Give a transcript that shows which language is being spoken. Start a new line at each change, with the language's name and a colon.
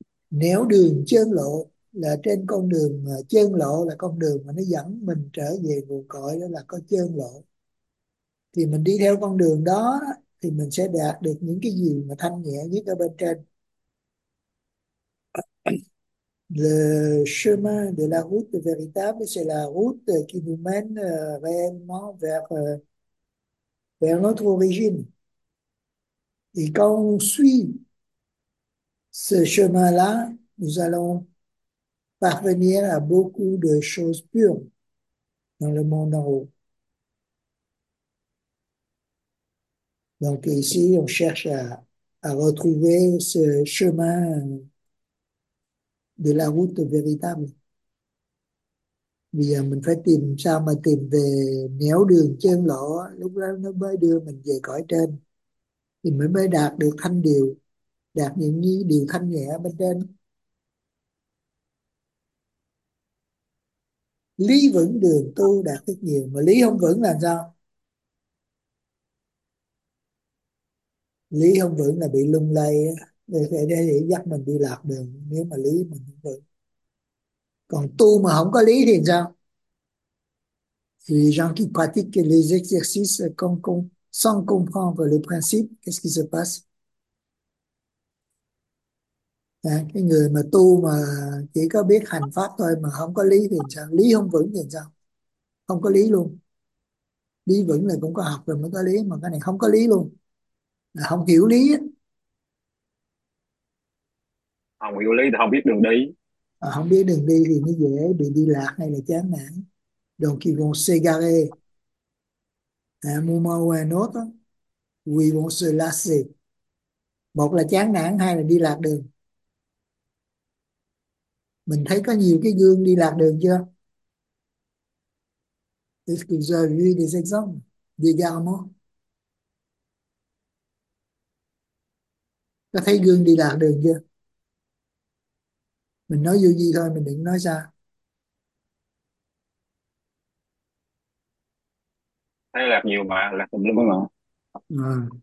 Vietnamese: Nếu đường chân lộ là trên con đường, chân lộ là con đường mà nó dẫn mình trở về nguồn cội, đó là có chân lộ. Thì mình đi theo con đường đó thì mình sẽ đạt được những cái gì mà thanh nhẹ nhất ở bên trên.
French: Le chemin de la route véritable, c'est la route qui nous mène réellement vers notre origine. Et quand on suit ce chemin-là, nous allons parvenir à beaucoup de choses pures dans le monde en haut. Donc ici, on cherche à retrouver ce chemin de la route véritable.
Vietnamese: Bây giờ mình phải tìm sao mà tìm về nẻo đường chân lộ, lúc đó nó mới đưa mình về cõi trên. Thì mình mới đạt được thanh điều, đạt những cái điều thanh nhẹ bên trên. Lý vững đường tu đạt rất nhiều, mà lý không vững là sao? Lý không vững là bị lung lay á. Để dắt mình đi lạc đường nếu mà lý mình không được. Còn tu mà không có lý thì sao? Thì
French: les gens qui pratiquent les exercices sans comprendre le principe, qu'est-ce qui se passe?
Vietnamese: À, cái người mà tu mà chỉ có biết hành pháp thôi mà không có lý thì sao? Lý không vững thì sao? Không có lý luôn. Lý vững là cũng có học rồi mới có lý, mà cái này không có lý luôn, là không hiểu lý á. Không hiểu lý thì không biết đường đi. À, không biết đường đi thì nó dễ bị đi lạc hay là chán nản.
French: Donc ils vont s'égarer. À, un moment ou un autre, où ils vont se lasser.
Vietnamese: Một là chán nản, hai là đi lạc đường. Mình thấy có nhiều cái gương đi lạc đường chưa?
French: Est-ce que vous avez vu des exemples d'égarement?
Vietnamese: Có thấy gương đi lạc đường chưa? Mình nói vô gì thôi, mình đừng nói xa. Thấy lạc nhiều mà, lạc tùm lum không ạ?